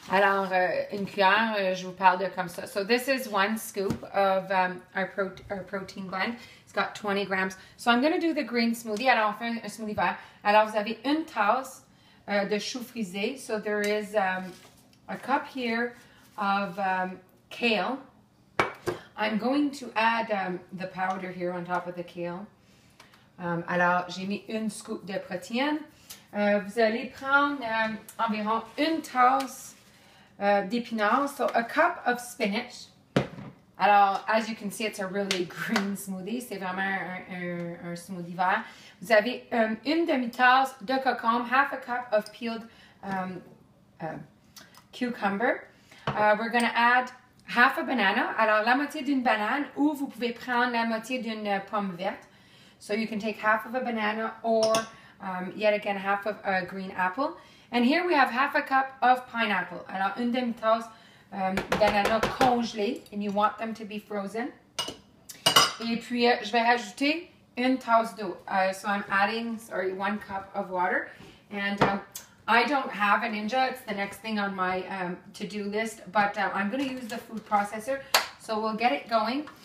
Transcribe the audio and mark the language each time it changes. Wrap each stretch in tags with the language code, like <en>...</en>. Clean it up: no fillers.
<fr>Alors, une cuillère, je vous parle de comme ça.</fr> <en>So this is one scoop of our protein blend. It's got 20 grams. So I'm going to do the green smoothie.</en> <fr>Alors, on fait un smoothie vert. Alors, vous avez une tasse de choux frisé.</fr> <en>So there is a cup here of kale. I'm going to add the powder here on top of the kale.</en> <fr>Alors, j'ai mis une scoop de protéines. Vous allez prendre environ une tasse d'épinards,</fr> <en>so a cup of spinach. Alors, as you can see, it's a really green smoothie.</en> <fr>C'est vraiment un smoothie vert. Vous avez une demi-tasse de cocombe,</fr> <en>half a cup of peeled cucumber. We're going to add half a banana.</en> <fr>Alors, la moitié d'une banane, ou vous pouvez prendre la moitié d'une pomme verte.</fr> <en>So you can take half of a banana or, yet again, half of a green apple. And here we have half a cup of pineapple.</en> <fr>Alors, une demi-tasse d'ananas congelé,</fr> <en>and you want them to be frozen.</en> <fr>Et puis, je vais rajouter une tasse d'eau.</fr> <en>So I'm adding, one cup of water. And I don't have a Ninja, it's the next thing on my to-do list, but I'm gonna use the food processor, so we'll get it going.</en>